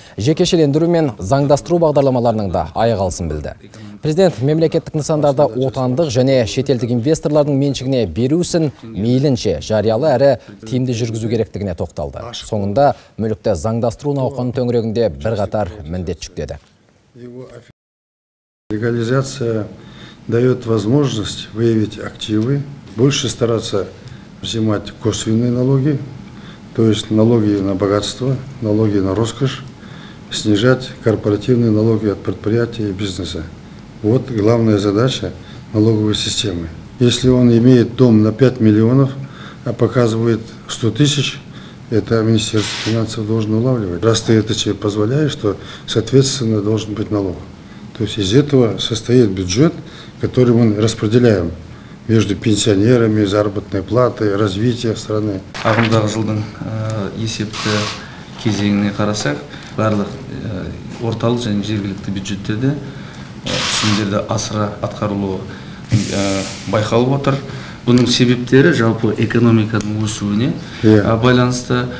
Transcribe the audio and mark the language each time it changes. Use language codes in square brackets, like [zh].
[kk] Жекешелендіру мен заңдастыру бағдарламаларының да аяқ алысын білді. Президент мемлекеттік нысандарды отандық және шетелдік инвесторлардың меншігіне беру ісін мейлінше жариялы әрі тиімді жүргізу керектігіне тоқталды. Соңында мүлікті заңдастыру науқаны төңірегінде бірқатар міндет жүктеді. [ru] Легализация дает возможность выявить активы, больше стараться взимать косвенные налоги, то есть налоги на богатство, налоги на роскошь, снижать корпоративные налоги от предприятий и бизнеса. Вот главная задача налоговой системы. Если он имеет дом на 5 миллионов, а показывает 100 тысяч, это Министерство финансов должно улавливать. Раз ты это себе позволяешь, то соответственно должен быть налог. То есть из этого состоит бюджет, который мы распределяем между пенсионерами, заработной платой, развитием страны. [kk] Ағымдағы жылдың есепті кезеңіне қарасақ, барлық орталық және жергілікті бюджеттерде түсімдерді асыра атқарылуы байқалып отыр. Бұның себептері жалпы экономиканың өсуіне байланысты.